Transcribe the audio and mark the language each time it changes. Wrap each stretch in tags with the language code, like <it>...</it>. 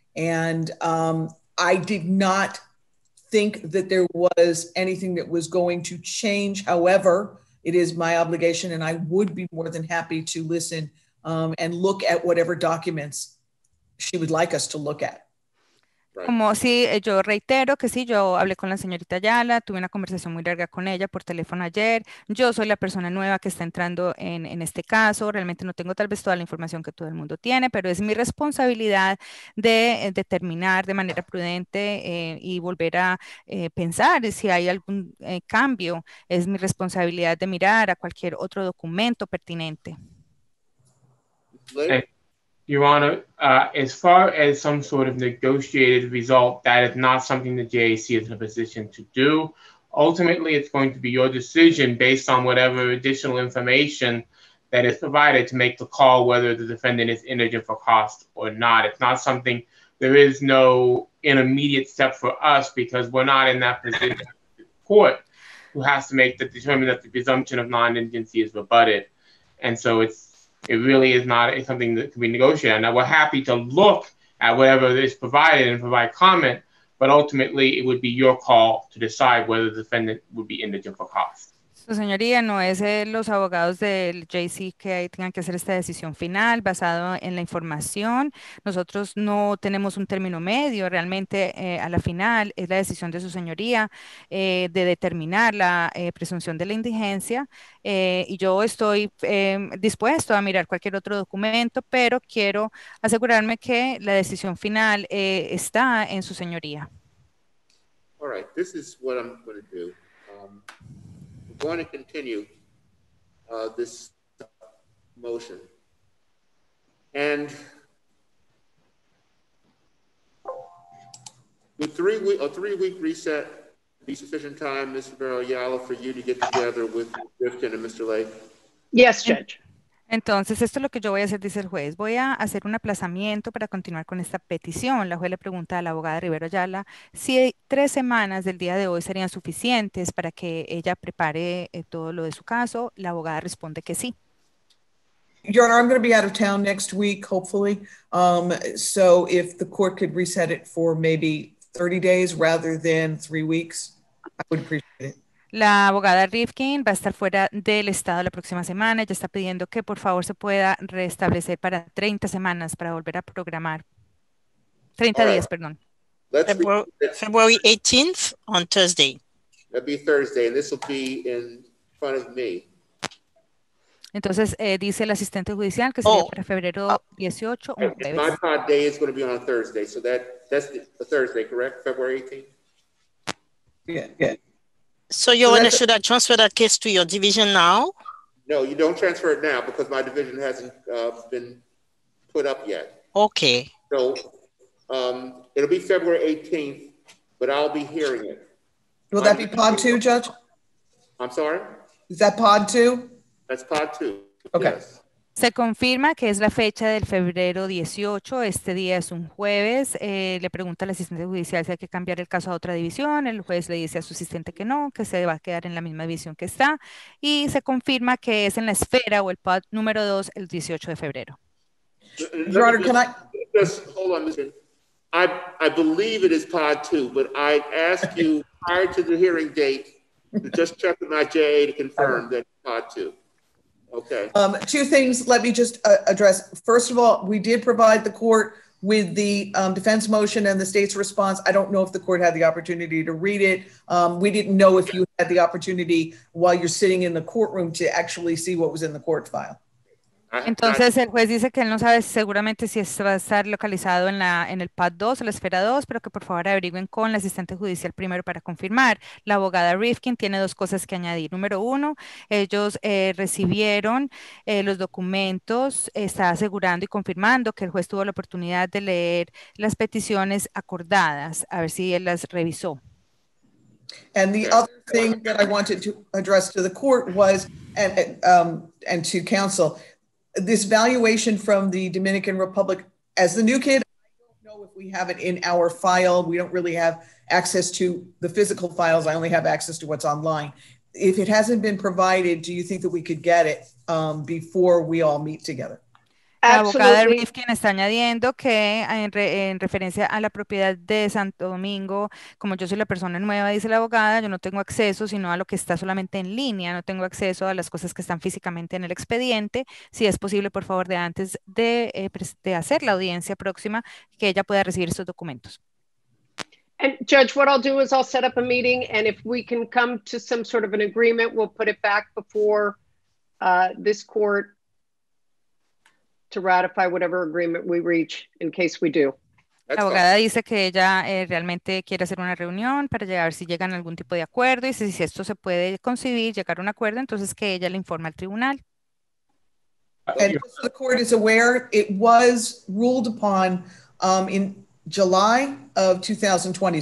<en>And I did not think that there was anything that was going to change. However, it is my obligation, and I would be more than happy to listen and look at whatever documents she would like us to look at. Right.</en> <es>Como sí, yo reitero que sí, yo hablé con la señorita Ayala, tuve una conversación muy larga con ella por teléfono ayer. Yo soy la persona nueva que está entrando en este caso. Realmente no tengo tal vez toda la información que todo el mundo tiene, pero es mi responsabilidad de determinar de manera prudente y volver a pensar si hay algún cambio. Es mi responsabilidad de mirar a cualquier otro documento pertinente.</es> <en>Hey. Your Honor, as far as some sort of negotiated result, that is not something the JAC is in a position to do. Ultimately, it's going to be your decision based on whatever additional information that is provided to make the call whether the defendant is indigent for cost or not. It's not something, there is no intermediate step for us because we're not in that position of the court who has to determine that the presumption of non-indigency is rebutted. And so it really is not something that can be negotiated. Now, we're happy to look at whatever is provided and provide comment, but ultimately it would be your call to decide whether the defendant would be indigent for cost.</en> <es>Su señoría, no es los abogados del JC que tengan que hacer esta decisión final basado en la información. Nosotros no tenemos un término medio. Realmente, a la final, es la decisión de su señoría de determinar la presunción de la indigencia. Y yo estoy dispuesto a mirar cualquier otro documento, pero quiero asegurarme que la decisión final está en su señoría.</es> <en>All right, this is what I'm going to do. Going to continue this motion. And with a three-week reset be sufficient time, Mr. Barrow-Yala, for you to get together with Rifkin and Mr. Lake? Yes, Judge.</en> <es>Entonces, esto es lo que yo voy a hacer, dice el juez. Voy a hacer un aplazamiento para continuar con esta petición. La juez le pregunta a la abogada Rivero Ayala si 3 semanas del día de hoy serían suficientes para que ella prepare todo lo de su caso. La abogada responde que sí.</es> <en>Your Honor, I'm going to be out of town next week, hopefully. So if the court could reset it for maybe 30 days rather than 3 weeks, I would appreciate it.</en> <es>La abogada Rifkin va a estar fuera del estado la próxima semana. Ella está pidiendo que, por favor, se pueda restablecer para 30 semanas para volver a programar. 30</es> <en>All</en> <es>días,</es> <en>right.</en> <es>Perdón.</es> <en>Let's February 18th on Thursday. That'd be Thursday, and this will be in front of me.</en> <es>Entonces, dice el asistente judicial que sería para febrero 18.</es> <en>Okay. My pod day is going to be on a Thursday, so that's the Thursday, correct? February 18th? Yeah. So you want to transfer that case to your division now? No, you don't transfer it now because my division hasn't been put up yet. Okay. So it'll be February 18th, but I'll be hearing it. Will that be pod two, Judge? I'm sorry? Is that pod two? That's pod two. Okay. Yes.</en> <es>Se confirma que es la fecha del febrero 18, este día es un jueves, le pregunta al asistente judicial si hay que cambiar el caso a otra división, el juez le dice a su asistente que no, que se va a quedar en la misma división que está, y se confirma que es en la esfera o el pod número 2 el 18 de febrero.</es> <en>Your Honor, can I... Hold on a minute. I believe it is pod 2, but I ask you prior to the hearing date to just check with my JA to confirm that it's pod 2. Okay. Two things let me just address. First of all, we did provide the court with the defense motion and the state's response. I don't know if the court had the opportunity to read it. We didn't know if you had the opportunity while you're sitting in the courtroom to actually see what was in the court file.</en> <es>Entonces el juez dice que él no sabe seguramente si esto va a estar localizado en la en el pad 2 o la esfera 2, pero que por favor averigüen con la asistente judicial primero para confirmar. La abogada Rifkin tiene dos cosas que añadir. Número uno, ellos recibieron los documentos, está asegurando y confirmando que el juez tuvo la oportunidad de leer las peticiones acordadas, a ver si él las revisó.</es> <en>And the other thing that I wanted to address to the court was and to counsel, this valuation from the Dominican Republic, as the new kid, I don't know if we have it in our file. We don't really have access to the physical files. I only have access to what's online. If it hasn't been provided, do you think that we could get it before we all meet together?</en> <es>La abogada Rifkin está añadiendo que en referencia a la propiedad de Santo Domingo, como yo soy la persona nueva, dice la abogada, yo no tengo acceso sino a lo que está solamente en línea, no tengo acceso a las cosas que están físicamente en el expediente. Si es posible, por favor, de antes de hacer la audiencia próxima, que ella pueda recibir estos documentos.</es> <en>And Judge, what I'll do is I'll set up a meeting and if we can come to some sort of an agreement, we'll put it back before this court to ratify whatever agreement we reach in case we do.</en> <es>La abogada dice que ella realmente quiere hacer una reunión para llegar si llegan a algún tipo de acuerdo y si esto se puede conseguir, llegar a un acuerdo, entonces que ella le informe al tribunal.</es> <en>And just so the court is aware, it was ruled upon in July of 2020.</en>